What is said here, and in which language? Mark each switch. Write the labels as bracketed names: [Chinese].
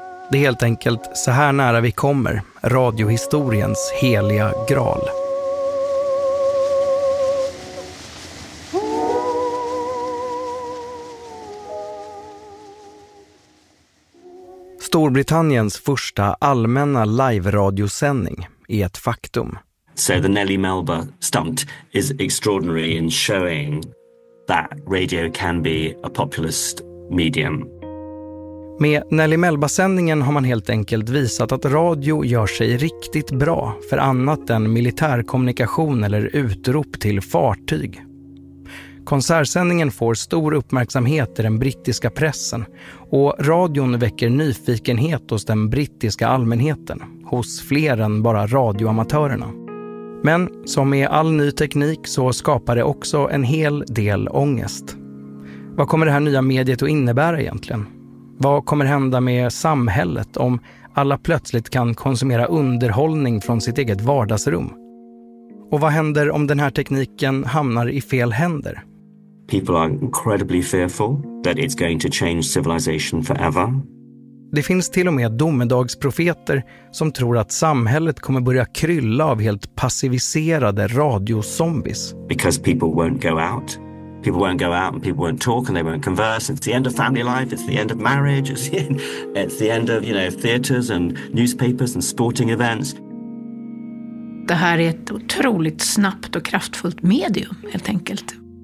[Swedish] Det är helt enkelt så här nära vi kommer, radiohistoriens heliga graal. Storbritanniens första allmänna live-radiosändning är ett faktum. [English] So the Nelly Melba stunt is extraordinary in showing that radio can be a populist medium. [Swedish] Med Nelly Melba-sändningen har man helt enkelt visat att radio gör sig riktigt bra för annat än militärkommunikation eller utrop till fartyg. Konsertsändningen får stor uppmärksamhet i den brittiska pressen och radion väcker nyfikenhet hos den brittiska allmänheten, hos fler än bara radioamatörerna. Men som med all ny teknik så skapar det också en hel del ångest. Vad kommer det här nya mediet att innebära egentligen? Vad kommer hända med samhället om alla plötsligt kan konsumera underhållning från sitt eget vardagsrum? Och vad händer om den här tekniken hamnar i fel händer? [English] People are incredibly fearful that it's going to change civilization forever. [Swedish] Det finns till och med domedagsprofeter som tror att samhället kommer börja krylla av helt passiviserade radiozombies. [English] Because people won't go out. People won't go out and people won't talk and they won't converse. It's the end of family life, it's the end of marriage, it's the end of, you know, theaters and newspapers and sporting events. [Swedish] Det här är ett otroligt snabbt och kraftfullt medium, helt enkelt.